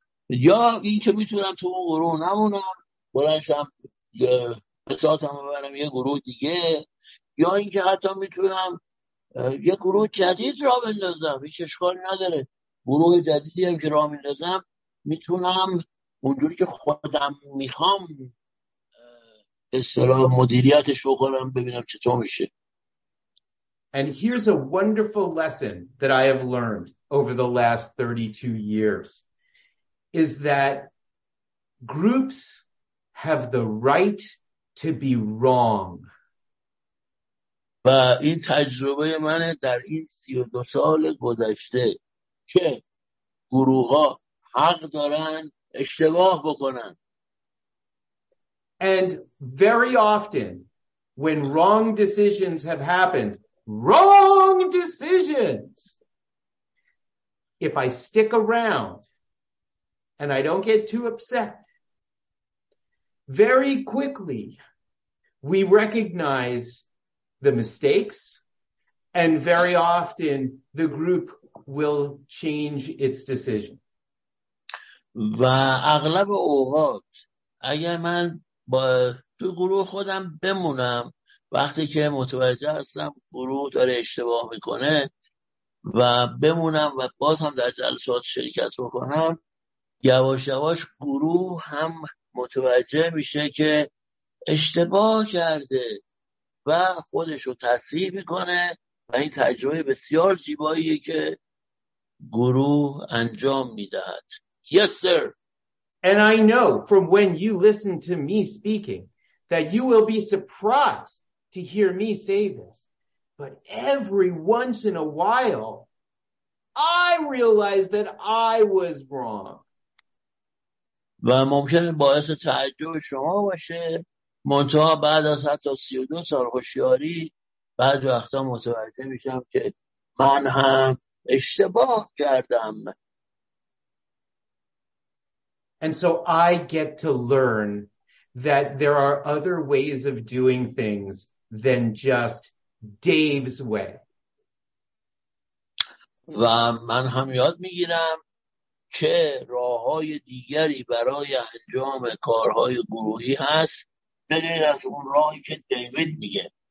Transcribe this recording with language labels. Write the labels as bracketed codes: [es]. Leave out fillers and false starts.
[fa] یا این که میتونم تو اون گروه نمونم، برشم بساطم ببرم یه گروه دیگه، یا این که حتی میتونم یه گروه جدید را بندازم، هیچ اشکال نداره. گروه جدیدی هم که را میندازم میتونم اونجوری که خودم میخوام استرا مدیریتش بکنم، ببینم چطور میشه. [en] And here's a wonderful lesson that I have learned over the last 32 years is that groups have the right to be wrong. [fa] و این تجربه منه در این 32 سال گذشته که گروه ها حق دارن اشتباه بکنن. [en] And very often when wrong decisions have happened, wrong decisions, if I stick around and I don't get too upset, very quickly we recognize the mistakes and very often the group will change its decision. [fa] و اغلب اوقات اگر من با تو گروه خودم بمونم، وقتی که متوجه هستم گروه داره اشتباه میکنه و بمونم و باز هم در جلسات شرکت بکنم، یواش یواش گروه هم متوجه میشه که اشتباه کرده و خودش رو تصحیح میکنه و این تجربه بسیار زیباییه که گروه انجام میدهد. [en] Yes, sir. And I know from when you listen to me speaking that you will be surprised to hear me say this, but every once in a while I realize that I was wrong. [fa] و ممکنه باعث تعجب شما باشه، منتها بعد از حتی 32 سال هوشیاری بعضی وقتا متوجه میشم که من هم اشتباه کردم. [en] And so I get to learn that there are other ways of doing things than just Dave's way. [fa] و من هم یاد میگیرم که راه‌های دیگری برای انجام کارهای گروهی هست بغیر از اون راهی که دیوید میگه.